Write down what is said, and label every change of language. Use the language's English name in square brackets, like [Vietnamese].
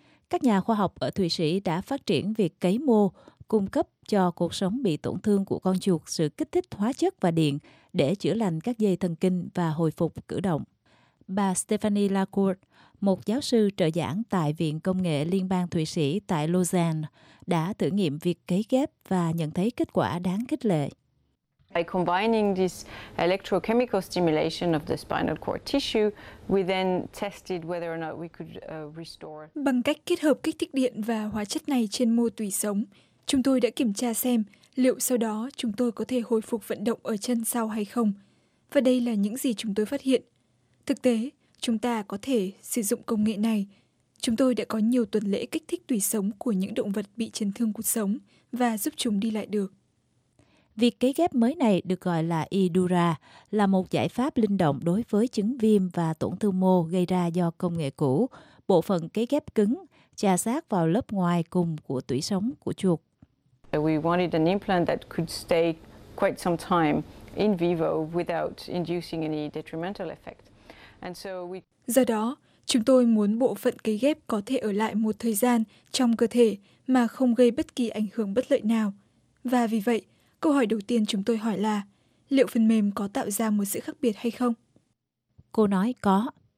[Vietnamese] Các nhà khoa học ở Thụy Sĩ đã phát triển việc cấy mô, cung cấp cho cuộc sống bị tổn thương của con chuột sự kích thích hóa chất và điện để chữa lành các dây thần kinh và hồi phục cử động. Bà Stephanie Lacourt, một giáo sư trợ giảng tại Viện Công nghệ Liên bang Thụy Sĩ tại Lausanne, đã thử nghiệm việc cấy ghép và nhận thấy kết quả đáng khích lệ. [English] By combining this electrochemical stimulation of the spinal cord tissue, we then tested whether or not we could restore. [Vietnamese] Bằng cách kết hợp kích thích điện và hóa chất này trên mô tủy sống, chúng tôi đã kiểm tra xem liệu sau đó chúng tôi có thể hồi phục vận động ở chân sau hay không. Và đây là những gì chúng tôi phát hiện. Thực tế, chúng ta có thể sử dụng công nghệ này. Chúng tôi đã có nhiều tuần lễ kích thích tủy sống của những động vật bị chấn thương cuộc sống và giúp chúng đi lại được. Việc cấy ghép mới này được gọi là Edura, là một giải pháp linh động đối với chứng viêm và tổn thương mô gây ra do công nghệ cũ, bộ phận cấy ghép cứng, chà xát vào lớp ngoài cùng của tủy sống của chuột. [English] We wanted an implant that could stay quite some time in vivo without inducing any detrimental effect. And so we... [Vietnamese] Do đó, chúng tôi muốn bộ phận cấy ghép có thể ở lại một thời gian trong cơ thể mà không gây bất kỳ ảnh hưởng bất lợi nào. Và vì vậy, câu hỏi đầu tiên chúng tôi hỏi là liệu phần mềm có tạo ra một sự khác biệt hay không? Cô nói có.